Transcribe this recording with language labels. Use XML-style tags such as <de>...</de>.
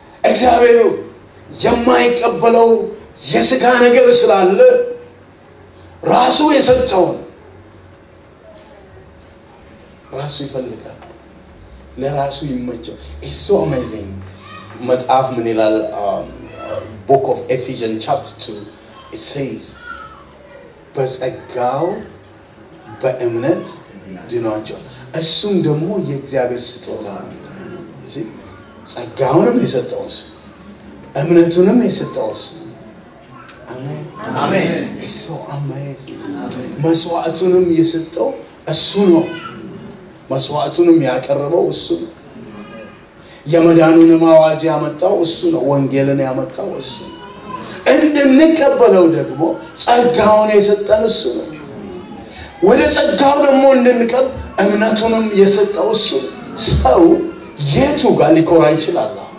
<am>እግዚአብሔር የማይቀበለው የሥጋ ነገር ስላለ ራሱ የሰጠውን ራሱ ይፈልጋል፣ ለራሱ ይመቸው።</am> <en>It's so amazing.</en> <am>መጽሐፍ ምን ይላል?</am> <en>Book of Ephesians chapter 2. It says</en> <am>በጸጋው በእምነት ድኗቸዋል። እሱም ደግሞ የእግዚአብሔር ስጦታ ነው። እዚ ጸጋውንም የሰጠውስ እምነቱንም የሰጠውስ አሜን አሜን እሱ አማይስ መስዋዕቱንም የሰጠው እሱ ነው። መስዋዕቱንም ያቀረበው እሱ ነው። የመዳኑንም አዋጅ ያመጣው እሱ ነው። ወንጌልን ያመጣው እሱ ነው። እንድንቀበለው ደግሞ ጸጋውን የሰጠን እሱ ነው። ወደ ጸጋው ደግሞ እንድንቀርብ እምነቱንም የሰጠው እሱ ነው። ሰው የቱ ጋር ሊኮራ ይችላል?</am>